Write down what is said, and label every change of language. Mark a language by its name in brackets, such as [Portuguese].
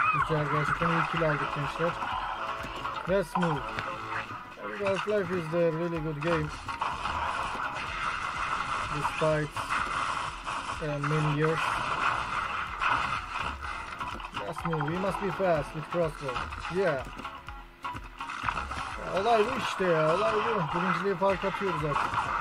[Turkish] Gerçekten iyi kill aldık gençler. [English] Let's move. Half Life is a really good game. Despite many years. Let's move. We must be fast with crossbow. Yeah. [Turkish] Olay bu işte ya. Olay bu. Birinciliği fark atıyoruz artık.